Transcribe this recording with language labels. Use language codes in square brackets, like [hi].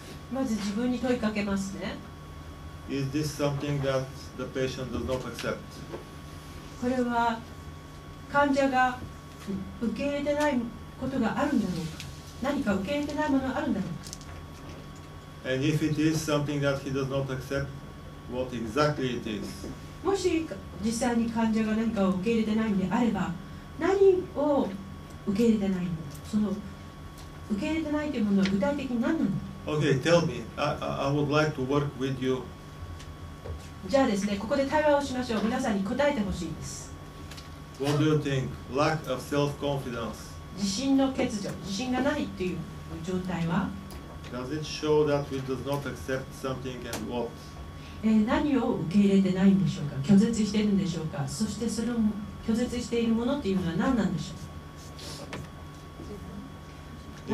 [ja] まず自分に問いかけますね。 [en] Is this something that the patient does not accept? [ja] これは患者が受け入れてないことがあるんだろうか。何か受け入れてないものがあるんだろうか。 [en] And if it is something that he does not accept, what exactly it is? [ja] もし実際に患者が何かを受け入れてないのであれば、何を受け入れてないの？その受け入れてないというものは具体的に何なの [en] ？Okay, tell me. I would like to work with you. [ja] じゃあですね、ここで対話をしましょう。皆さんに答えてほしいです。 [en] What do you think? Lack of self-confidence. [ja] 自信の欠如、自信がないという状態は？ [en] Does it show that we do not accept something and what? [ja] 何を受け入れてないんでしょうか。拒絶しているんでしょうか。そしてその拒絶しているものっていうのは何なんでしょう。